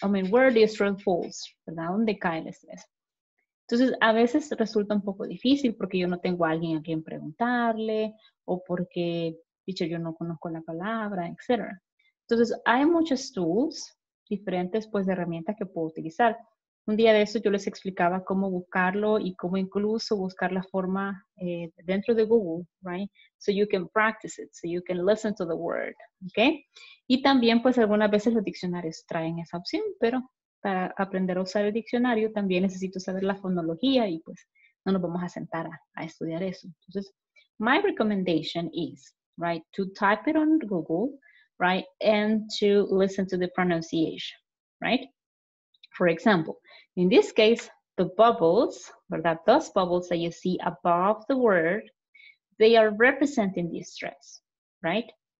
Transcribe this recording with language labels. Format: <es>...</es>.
<en>Where the stress falls,</en> <es>¿verdad? ¿Dónde cae el estrés? Entonces, a veces resulta un poco difícil porque yo no tengo a alguien a quien preguntarle o porque, dicho, yo no conozco la palabra, etc. Entonces, hay muchos tools, diferentes, pues, de herramientas que puedo utilizar. un día de eso yo les explicaba cómo buscarlo y cómo incluso buscar la forma dentro de Google, right?</es> <en>So you can practice it, so you can listen to the word, okay?</en> <es>Y también, pues, algunas veces los diccionarios traen esa opción, pero para aprender a usar el diccionario también necesito saber la fonología y, pues, no nos vamos a sentar a estudiar eso.</es> <en>Entonces, my recommendation is, right, to type it on Google, right, and to listen to the pronunciation, right? For example, in this case, the bubbles, or that those bubbles that you see above the word, they are representing the stress, right?</en>